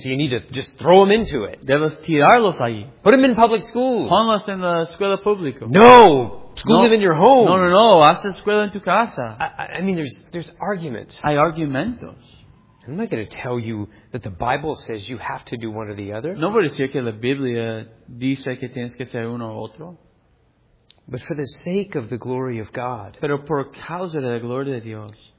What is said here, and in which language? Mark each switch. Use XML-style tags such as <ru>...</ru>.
<en>So you need to just throw them into it.</en> <es>Debes tirarlos allí.</es> <en>Put them in public schools.</en> <es>Ponlos en la escuela pública.</es> <en>No! School them in your home.</en> <es>No. Haz escuela en tu casa.</es> <en>I mean, there's arguments.</en> <es>Hay argumentos.</es> <en>I'm not going to tell you that the Bible says you have to do one or the other. Nobody</en> <es>dice que la Biblia dice que tienes que hacer uno o otro.</es> <en>But for the sake of the glory of God.</en> <es>Pero por causa de la gloria de Dios.</es>